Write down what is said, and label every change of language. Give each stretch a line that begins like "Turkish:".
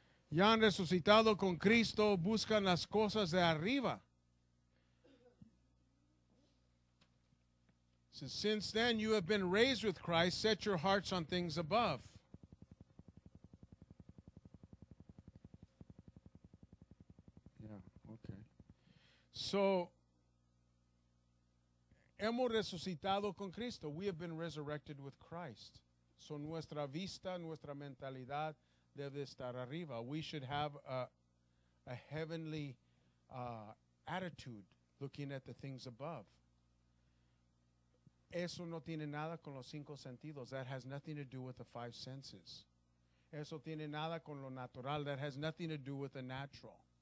Spanish: Ya han resucitado con Cristo, buscan las cosas de arriba.
English: Since then you have been raised with Christ, set your hearts on things above.
Spanish: So, hemos resucitado con Cristo.
English: We have been resurrected with Christ.
Spanish: So, nuestra vista, nuestra mentalidad debe estar arriba.
English: We should have a heavenly attitude looking at the things above.
Spanish: Eso no tiene nada con los cinco sentidos.
English: That has nothing to do with the five senses.
Spanish: Eso tiene nada con lo natural.
English: That has nothing to do with the natural.